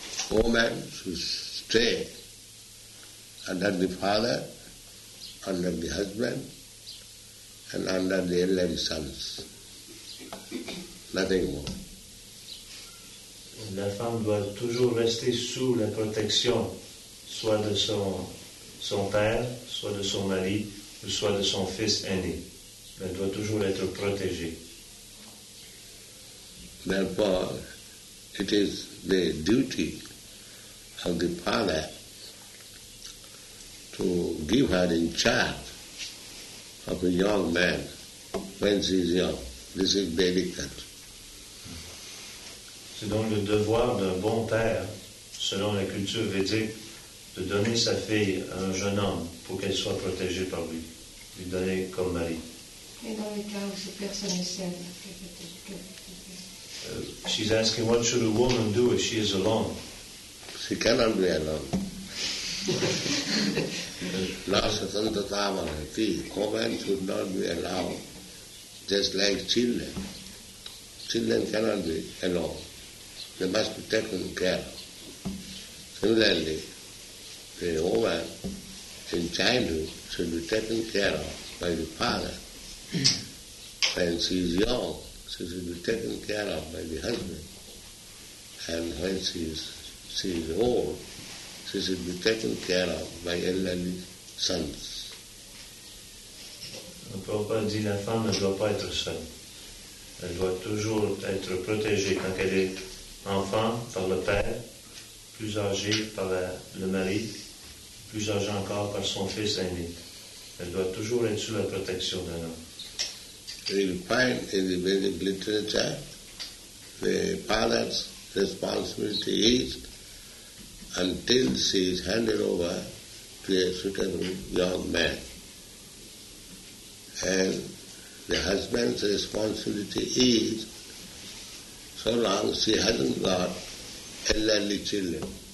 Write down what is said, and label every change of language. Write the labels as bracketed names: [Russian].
[English] Woman should stay under the father, under the husband, and under the elderly sons. Nothing more. [French] La femme doit toujours rester sous la protection, soit de son père, soit de son mari, ou soit de son fils aîné. Elle doit toujours être protégée. [English] Therefore, it is the duty of the father to give her in charge of a young man when she is young. This is delicate. [French] C'est donc le devoir d'un bon père, selon la culture védique, de donner sa fille à un jeune homme pour qu'elle soit protégée par lui, lui donner comme mari. Et dans le cas où cette personne est seule, [English] she's asking what should a woman do if she is alone? She cannot be alone. Women should not be alone, just like children. Children cannot be alone. They must be taken care of. Similarly, the woman in childhood should be taken care of by the father. When she is young, she should be taken care of by the husband. And when she is old, she should be taken care of by elderly sons. [French] Le Prabhupada dit la femme ne doit pas être seule. Elle doit toujours être protégée quand elle est enfant par le père, plus âgée par le mari, plus âgée encore par son fils aîné. Elle doit toujours être sous la protection d'un homme. [English] You find in the Vedic literature the father's responsibility is until she is handed over to a suitable young man. And the husband's responsibility is so long she hasn't got elderly children.